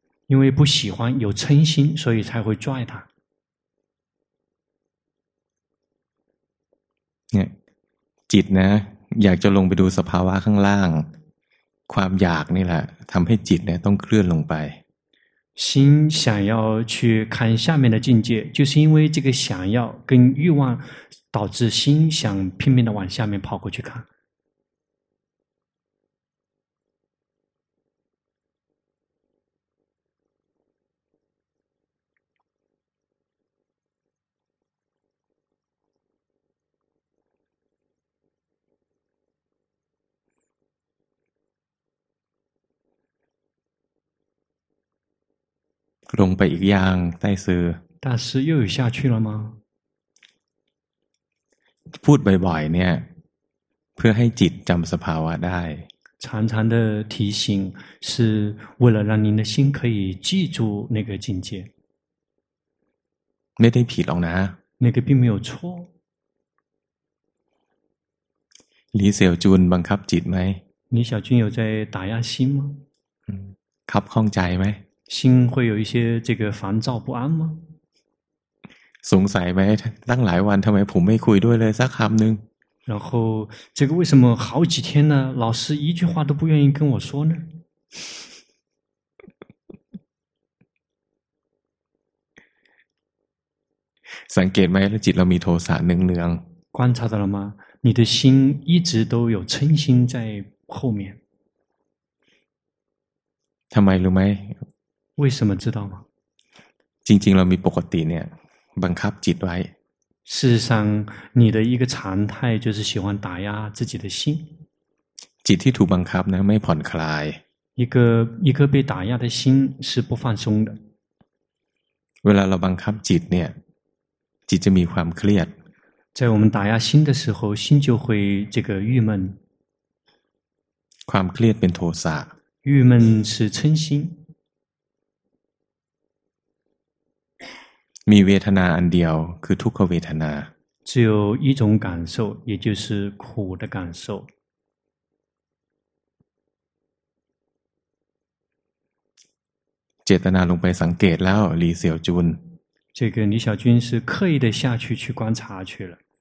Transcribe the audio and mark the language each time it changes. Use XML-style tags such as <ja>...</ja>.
<zh>因为不喜欢有嗔心，所以才会拽它。</zh> <th>เนี่ยจิตนะอยากจะลงไปดูสภาวะข้างล่างความอยากนี่แหละทำให้จิตเนี่ยต้องเคลื่อนลงไป</th> <zh>心想要去看下面的境界就是因为这个想要跟欲望导致心想拼命的往下面跑过去看</zh> <th>ลงไปอีกอย่างใต้ซื้อ</th> <zh>大师又有下去了吗</zh> <th>พูดบ่อยๆเนี่ยเพื่อให้จิตจำสภาวะได้</th> <zh>常常的提醒是为了让您的心可以记住那个境界</zh> <th>ไม่ได้ผิดหรอกนะ</th> <zh>那个并没有错</zh> <th>หลีเสี่ยวจุนบังคับจิตไหม</th> <zh>李小军有在打压心吗</zh> <th>ขับข้องใจไหม</th> <zh>心会有一些这个烦躁不安吗</zh> <th>สงสัยไหมตั้งหลายวันทำไมผมไม่คุยด้วยเลยสักคำหนึ่ง</th> <zh>然后这个为什么好几天呢老师一句话都不愿意跟我说呢</zh> <th>สังเกตไหมจิตเรามีโทสะเนือง</th> <zh>ๆ观察到了吗你的心一直都有嗔心在后面</zh> <th>ทำไมรู้ไหม</th> <zh>为什么知道吗</zh> <th>จริงๆเรามีปกติเนี่ยบังคับจิตไว้</th> <zh>事实上你的一个常态就是喜欢打压自己的心</zh> <th>จิตที่ถูกบังคับนะไม่ผ่อนคลาย</th> <zh>一个被打压的心是不放松的</zh> <th>เวลาเราบังคับจิตเนี่ยจิตจะมีความเครียด</th> <zh>在我们打压心的时候心就会这个郁闷</zh> <th>ความเครียดเป็นโทสะ</th> <zh>郁闷是嗔心</zh> <th>มีเวทนาอันเดียวคือทุกขเวทนา</th> <zh>只有一种感受也就是苦的感受</zh> <th>เจตนาลงไปสังเกตแล้วหลีเสี่ยวจุน</th> <zh>这个李小军是刻意的下去去观察去了</zh>